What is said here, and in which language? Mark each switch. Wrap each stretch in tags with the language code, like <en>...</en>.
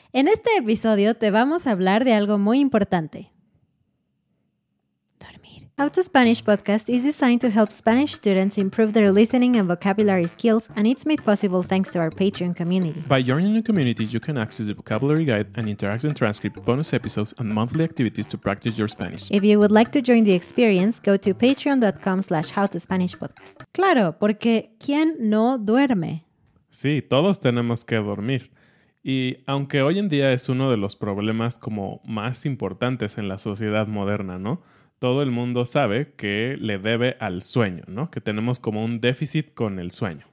<es>En este episodio te vamos a hablar de algo muy importante. Dormir.</es> <en>How to Spanish Podcast is designed to help Spanish students improve their listening and vocabulary skills, and it's made possible thanks to our Patreon community. By joining the community, you can access the vocabulary guide, an interactive transcript, bonus episodes, and monthly activities to practice your Spanish. If you would like to join the experience, go to patreon.com/howtospanishpodcast.</en> <es>Claro, porque ¿quién no duerme? Sí, todos tenemos que dormir. Y aunque hoy en día es uno de los problemas como más importantes en la sociedad moderna, ¿no? Todo el mundo sabe que le debe al sueño, ¿no? Que tenemos como un déficit con el sueño.</es>